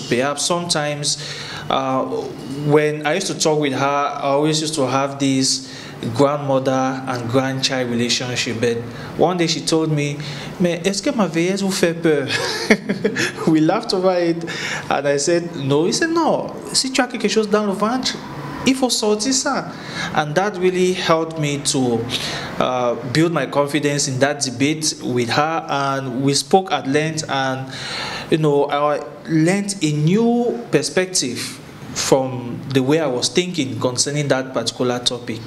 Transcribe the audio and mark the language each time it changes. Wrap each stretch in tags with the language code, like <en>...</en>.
<en>Perhaps sometimes when I used to talk with her, I always used to have this grandmother and grandchild relationship, but one day she told me,</en> <fr>"Mais est-ce que ma vieillesse vous fait peur?"</fr> <en>We laughed over it, and I said, "No." He said, "No.</en> <fr>Si tu as quelque chose dans le ventre, il faut sortir ça."</fr> <en>And that really helped me to build my confidence in that debate with her, and we spoke at length, and you know, I learned a new perspective from the way I was thinking concerning that particular topic.</en>